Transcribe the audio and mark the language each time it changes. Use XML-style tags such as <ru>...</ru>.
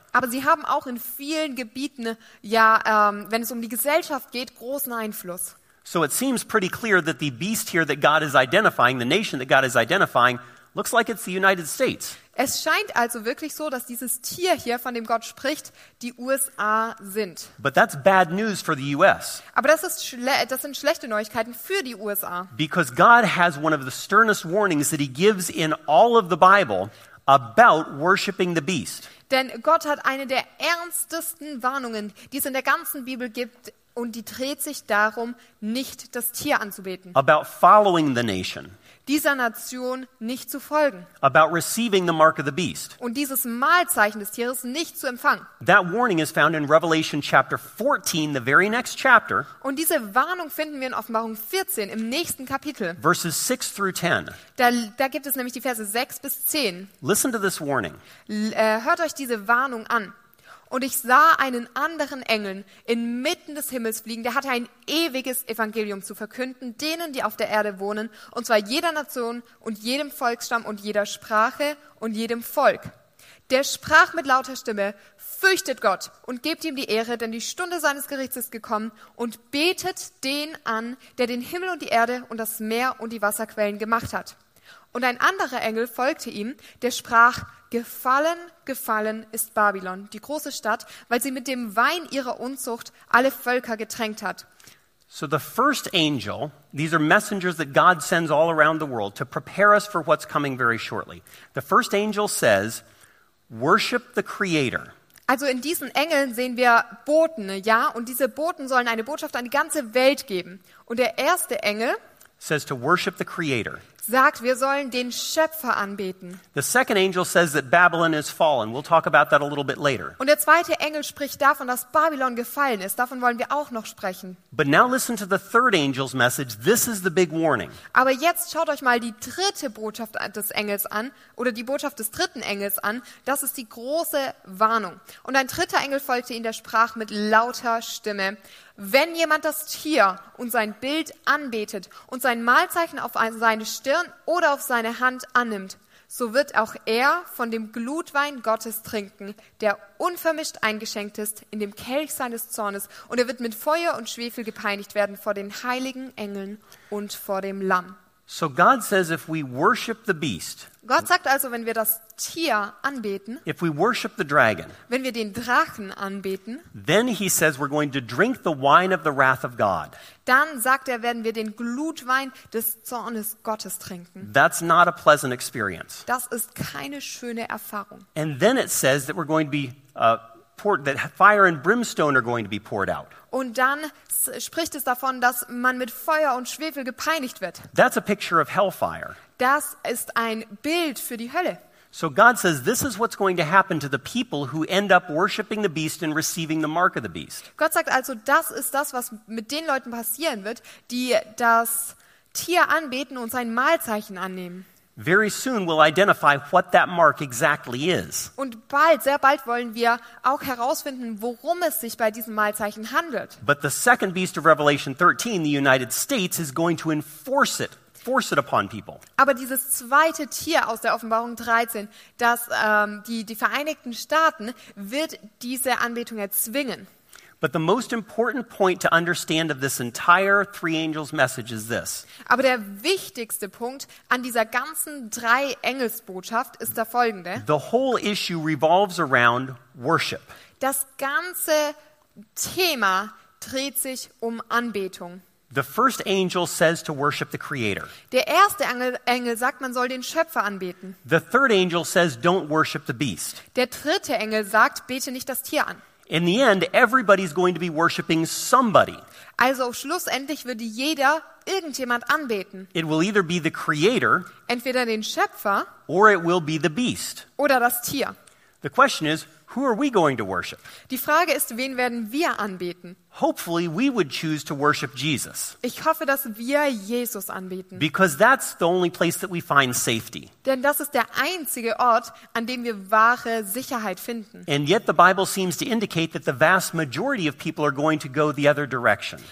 <de>Aber sie haben auch in vielen Gebieten, ja, wenn es um die Gesellschaft geht, großen Einfluss.</de> <en>So it seems pretty clear that the beast here that God is identifying, the nation that God is identifying, looks like it's the United States.</en> <de>Es scheint also wirklich so, dass dieses Tier hier, von dem Gott spricht, die USA sind.</de> <en>But that's bad news for the US.</en> <de>Aber das sind schlechte Neuigkeiten für die USA.</de> <en>Because God has one of the sternest warnings that he gives in all of the Bible about worshiping the beast.</en> <de>Denn Gott hat eine der ernstesten Warnungen, die es in der ganzen Bibel gibt, und die dreht sich darum, nicht das Tier anzubeten.</de> <en>About following the nation.</en> <de>Dieser Nation nicht zu folgen.</de> <en>About receiving the mark of the beast.</en> <de>Und dieses Malzeichen des Tieres nicht zu empfangen.</de> <en>That warning is found in Revelation chapter 14, the very next chapter.</en> <de>Und diese Warnung finden wir in Offenbarung 14, im nächsten Kapitel.</de> <en>Verses 6 through 10.</en> <de>Da gibt es nämlich die Verse 6 bis 10.</de> <en>Listen to this warning.</en> <de>Hört euch diese Warnung an. Und ich sah einen anderen Engel inmitten des Himmels fliegen, der hatte ein ewiges Evangelium zu verkünden, denen, die auf der Erde wohnen, und zwar jeder Nation und jedem Volksstamm und jeder Sprache und jedem Volk. Der sprach mit lauter Stimme, fürchtet Gott und gebt ihm die Ehre, denn die Stunde seines Gerichts ist gekommen, und betet den an, der den Himmel und die Erde und das Meer und die Wasserquellen gemacht hat. Und ein anderer Engel folgte ihm, der sprach, gefallen, gefallen ist Babylon, die große Stadt, weil sie mit dem Wein ihrer Unzucht alle Völker getränkt hat.</de> <en>So the first angel, these are messengers that God sends all around the world to prepare us for what's coming very shortly. The first angel says, worship the Creator.</en> <de>Also in diesen Engeln sehen wir Boten, ja, und diese Boten sollen eine Botschaft an die ganze Welt geben. Und der erste Engel</de> <en>says to worship the Creator.</en> <de>Sagt, wir sollen den Schöpfer anbeten.</de> <en>The second angel says that Babylon is fallen. We'll talk about that a little bit later.</en> <de>Und der zweite Engel spricht davon, dass Babylon gefallen ist. Davon wollen wir auch noch sprechen.</de> <en>But now listen to the third angel's message. This is the big warning.</en> <de>Aber jetzt schaut euch mal die dritte Botschaft des Engels an, oder die Botschaft des dritten Engels an. Das ist die große Warnung. Und ein dritter Engel folgte ihm, der sprach mit lauter Stimme. Wenn jemand das Tier und sein Bild anbetet und sein Malzeichen auf seine Stirn oder auf seine Hand annimmt, so wird auch er von dem Glutwein Gottes trinken, der unvermischt eingeschenkt ist in dem Kelch seines Zornes, und er wird mit Feuer und Schwefel gepeinigt werden vor den heiligen Engeln und vor dem Lamm.</de> <en>So God says if we worship the beast.</en> <de>Gott sagt also, wenn wir das Tier anbeten.</de> <en>If we worship the dragon.</en> <de>Wenn wir den Drachen anbeten.</de> <en>Then he says we're going to drink the wine of the wrath of God.</en> <de>Dann sagt er, werden wir den Glutwein des Zornes Gottes trinken.</de> <en>That's not a pleasant experience.</en> <de>Das ist keine schöne Erfahrung.</de> <en>And then it says that we're going to be that fire and brimstone are going to be poured out.</en> <de>Und dann spricht es davon, dass man mit Feuer und Schwefel gepeinigt wird.</de> <en>That's a picture of hellfire.</en> <de>Das ist ein Bild für die Hölle.</de> <en>So God says this is what's going to happen to the people who end up worshiping the beast and receiving the mark of the beast.</en> <de>Gott sagt also, das ist das, was mit den Leuten passieren wird, die das Tier anbeten und sein Malzeichen annehmen.</de> <en>Very soon we'll identify what that mark exactly is.</en> <de>Und bald, sehr bald wollen wir auch herausfinden, worum es sich bei diesem Malzeichen handelt.</de> <en>But the second beast of Revelation 13, the United States, is going to enforce it upon people.</en> <de>Aber dieses zweite Tier aus der Offenbarung 13, das die Vereinigten Staaten, wird diese Anbetung erzwingen.</de> <en>But the most important point to understand of this entire three angels message is this.</en> <de>Aber der wichtigste Punkt an dieser ganzen drei Engelsbotschaft ist der folgende.</de> <en>The whole issue revolves around worship.</en> <de>Das ganze Thema dreht sich um Anbetung.</de> <en>The first angel says to worship the creator.</en> <de>Der erste Engel sagt, man soll den Schöpfer anbeten.</de> <en>The third angel says don't worship the beast.</en> <de>Der dritte Engel sagt, bete nicht das Tier an.</de> <en>In the end, everybody's going to be worshiping somebody.</en> <de>Also schlussendlich wird jeder irgendjemand anbeten.</de> <en>It will either be the creator,</en> <de>entweder den Schöpfer,</de> <en>or it will be the beast,</en> <de>oder das Tier.</de> <en>The question is, who are we going to worship?</en> <de>Die Frage ist, wen werden wir anbeten?</de> <en>Hopefully, we would choose to worship Jesus.</en> <de>Ich hoffe, dass wir Jesus anbeten.</de> <en>Because that's the only place that we find safety.</en> <de>Denn das ist der einzige Ort, an dem wir wahre Sicherheit finden.</de> <en>And yet, the Bible seems to indicate that the vast majority of people are going to go the other direction.</en>